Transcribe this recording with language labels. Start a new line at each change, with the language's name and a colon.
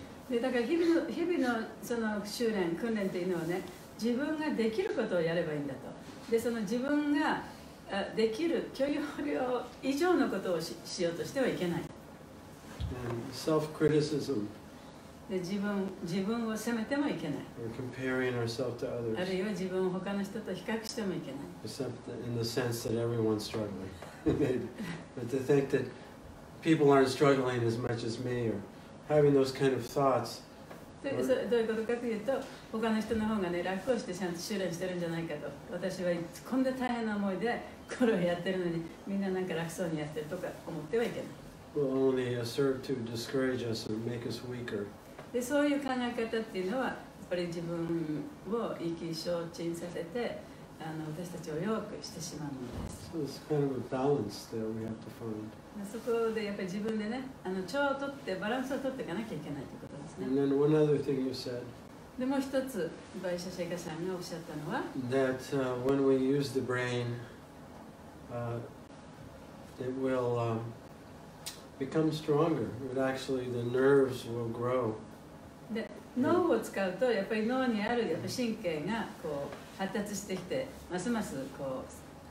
Japanese: でだから日々の その修練訓練というのはね、自分ができることをやればいいんだと。で、その自分ができる許容量以上のことを しようとしてはいけない。
English: Self-criticism.
Japanese: で、自分を責めてもいけない。
English: Or comparing ourselves to others.
Japanese: あるいは自分を他の人と比較してもいけない。
English: Except in the sense that everyone's struggling. But to think that people aren't struggling as much as me or... Having those kind of thoughts.
Japanese: どういうことかというと、他の人の方がね、楽をしてちゃんと修練してるんじゃないかと。私はこんな大変な思いでこれをやってるのに、みんななんか楽そうにやってるとか思ってはいけない。
English: Will only serve to discourage us or make us weaker.
Japanese: で、そういう考え方っていうのは、やっぱり自分を意気消沈させて、私たちを弱くしてしまうのです。
English: So it's kind of a balance that we have to find.
Japanese: そこでやっぱり自分でね、調を取ってバランスを取っていかなきゃいけないということですね。
English: And then one other thing you said.
Japanese: でもう一つ、バイシェシェイカさんがおっしゃったのは、
English: that when we use the brain, it will become stronger. But actually, the nerves will grow.
Japanese: で、脳を使うとやっぱり脳にあるやっぱ神経がこう発達してきて、ますますこう。